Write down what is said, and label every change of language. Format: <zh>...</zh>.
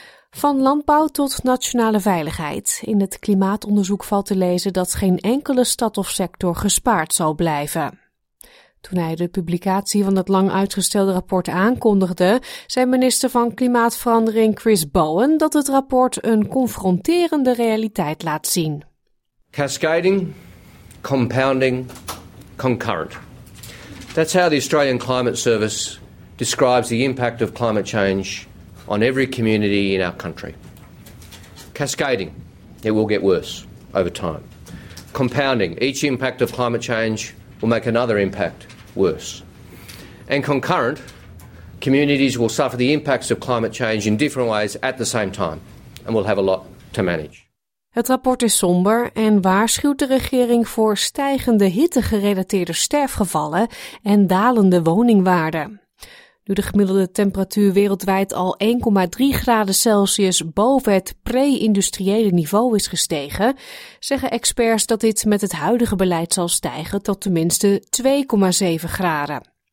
<nl>Van landbouw tot nationale veiligheid. In het klimaatonderzoek valt te lezen dat geen enkele stad of sector gespaard zal blijven. Toen hij de publicatie van het lang uitgestelde rapport aankondigde, zei minister van Klimaatverandering Chris Bowen dat het rapport een confronterende realiteit laat zien.</nl> <en>Cascading, compounding, concurrent. That's how the Australian Climate Service describes the impact of climate change on every community in our country. Cascading, it will get worse over time. Compounding, each impact of climate change will make another impact worse. And concurrent, communities will suffer the impacts of climate change in different ways at the same time and will have a lot to manage.</en> <nl>Het rapport is somber en waarschuwt de regering voor stijgende hittegerelateerde sterfgevallen en dalende woningwaarden. Nu de gemiddelde temperatuur wereldwijd al 1,3 graden Celsius boven het pre-industriële niveau is gestegen, zeggen experts dat dit met het huidige beleid zal stijgen tot tenminste 2,7 graden.</nl>